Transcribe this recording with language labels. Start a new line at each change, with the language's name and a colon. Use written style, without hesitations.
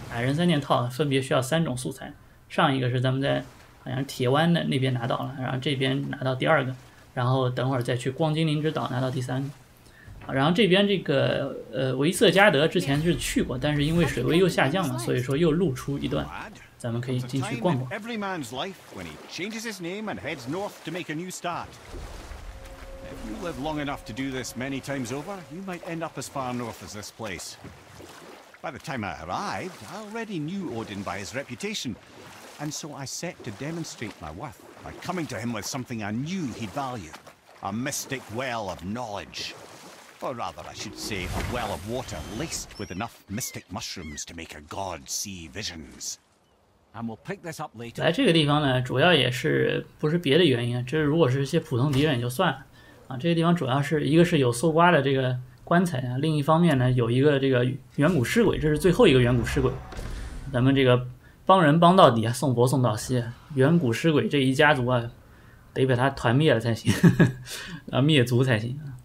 Chinese: 矮人三件套分别需要三种素材，上一个是咱们在好像铁湾的那边拿到了，然后这边拿到第二个，然后等会儿再去光精灵之岛拿到第三个。然后这边这个维瑟加德之前是去过，但是因为水位又下降了，所以说又露出一段，咱们可以进去逛逛。
English: Every man's life when he changes his name and heads north to make a new start. If you live long enough to do this many times over, you might end up as far north as this place. By the time I arrived, I already knew Odin by his reputation, and so I set to demonstrate my worth by coming to him with something I knew he'd value: a mystic well of knowledge. Or rather, I should say, a well of water laced with enough mystic mushrooms to make a god see visions. And we'll pick this up later.
Chinese: 来这个地方呢，主要也是不是别的原因，就是如果是一些普通敌人就算了啊。这个地方主要是一个是有搜刮的这个棺材啊，另一方面呢，有一个这个远古尸鬼，这是最后一个远古尸鬼。咱们这个帮人帮到底啊，送佛送到西，远古尸鬼这一家族啊，得把他团灭了才行，啊，灭族才行。